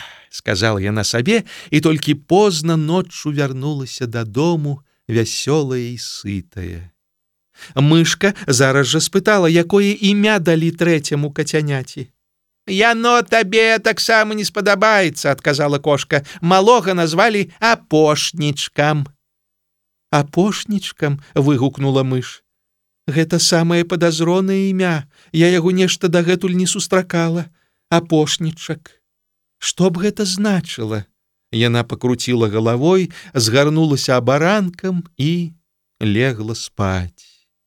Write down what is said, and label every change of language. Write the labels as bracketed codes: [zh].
[ru] сказал я на себе, и только поздно ночью вернулась до дому, веселая и сытая. [be] Мышка зараз же спытала, якое имя дали третьему котяняти. «Яно табе таксама не спадабаецца», — адказала кошка. «Малога назвалі апошнічкам». «Апошнічкам?» — выгукнула мыш. «Гэта самае падазронае імя. Я яго нешта дагэтуль не сустракала. Апошнічак. Што б гэта значыла?» Яна пакруціла галавой, згарнулася абаранкам і легла спаць.